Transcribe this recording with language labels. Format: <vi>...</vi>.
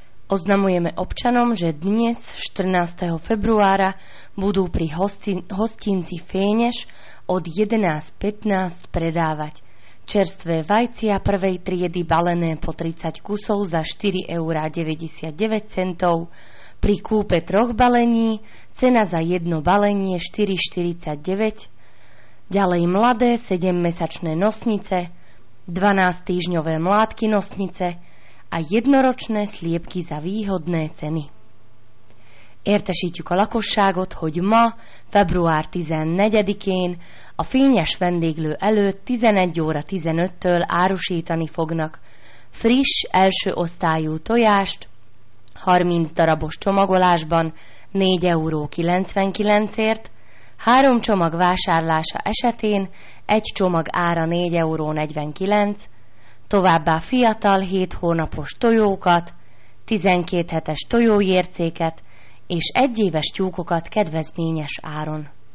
<sk>Oznamujeme občanom, že dnes, 14. februára, budú pri hostinci Fénež od 11.15 predávať čerstvé vajcia prvej triedy balené po 30 kusov za 4,99 €. Pri kúpe troch balení cena za jedno balenie 4,49. Ďalej mladé 7-mesačné nosnice, 12-týždňové mládky nosnice a jednoročné sliepky za výhodné ceny.</sk> <hu>Értesítjük a lakosságot, hogy ma, február 14-én a fényes vendéglő előtt 11:15-től árusítani fognak friss első osztályú tojást 30 darabos csomagolásban 4,99 €, 3 csomag vásárlása esetén 1 csomag ára 4,49 €, továbbá fiatal 7 hónapos tojókat, 12 hetes tojójércéket és 1 éves tyúkokat kedvezményes áron.</hu>